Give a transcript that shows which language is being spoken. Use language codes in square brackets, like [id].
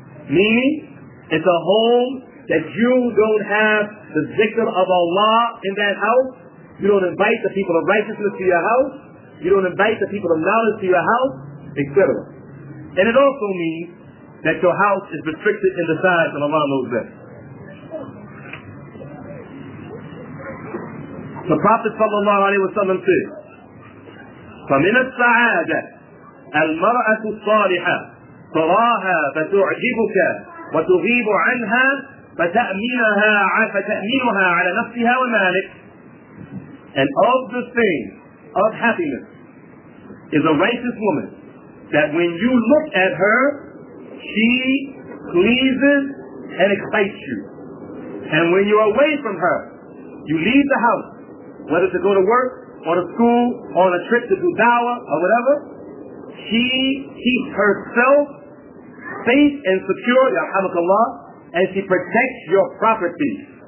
[en] Meaning, it's a home that you don't have the zikr of Allah in that house. You don't invite the people of righteousness to your house. You don't invite the people of knowledge to your house, etc. And it also means that your house is restricted in the size, and Allah knows that. The Prophet sallallahu alaihi wasallam said, [ar] فَمِنَ السَّعَادَةِ الْمَرْأَةُ الصَّالِحَةِ تَرَاهَا فَتُعْجِبُكَ وَتُغِيبُ عَنْهَا فَتَأْمِنُهَا عَلَى نَفْسِهَا وَمَالِكَ. [en] And of the thing of happiness is a righteous woman, that when you look at her, she pleases and excites you. And when you're away from her, you leave the house, whether to go to work or to school or on a trip to do dawah or whatever, she keeps herself safe and secure, yarhamakallah, and she protects your property.